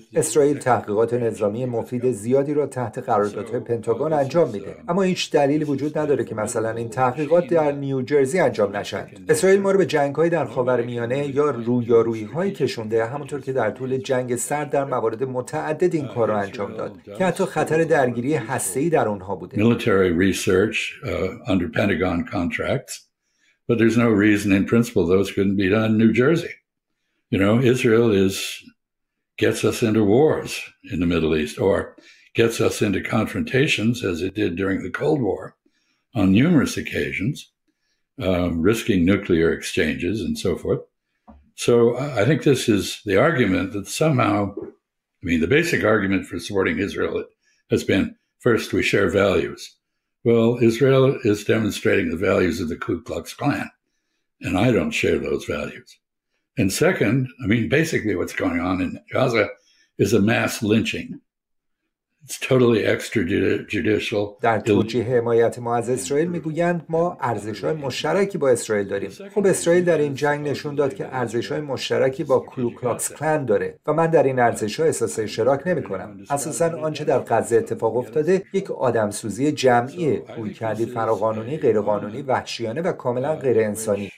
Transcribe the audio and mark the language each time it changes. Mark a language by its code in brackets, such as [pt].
[fa] اسرائیل تحقیقات نظامی مفید زیادی را تحت قراردادهای پنتاگون انجام میده، اما هیچ دلیلی وجود نداره که مثلا این تحقیقات در نیوجرسی انجام نشند. اسرائیل ما رو به جنگ های در خاورمیانه یا رویارویی های کشونده، همونطور که در طول جنگ سرد در موارد متعدد این کار را انجام داد که حتی خطر درگیری هسته‌ای در اونها بوده. [en] Military research under Pentagon contracts, but there's no reason in principle those couldn't be done in New Jersey. You know, Israel is gets us into wars in the Middle East or gets us into confrontations as it did during the Cold War on numerous occasions, risking nuclear exchanges and so forth. So I think this is the argument that somehow, I mean, the basic argument for supporting Israel has been, first, we share values. Well, Israel is demonstrating the values of the Ku Klux Klan, and I don't share those values. And second, I mean, basically what's going on in Gaza is a mass lynching. It's totally extrajudicial. [fa] در توجیه حمایت ما از اسرائیل میگویند ما ارزش‌های مشترکی با اسرائیل داریم. خب اسرائیل در این جنگ نشون داد که ارزش‌های مشترکی با کلوکلاکس کلان داره و من در این ارزش‌ها احساس اشتراک نمی‌کنم. اساساً آنچه در غزه اتفاق افتاده یک آدمسوزی جمعیه، رویکردی فراقانونی، غیرقانونی، وحشیانه و کاملاً غیرانسانی.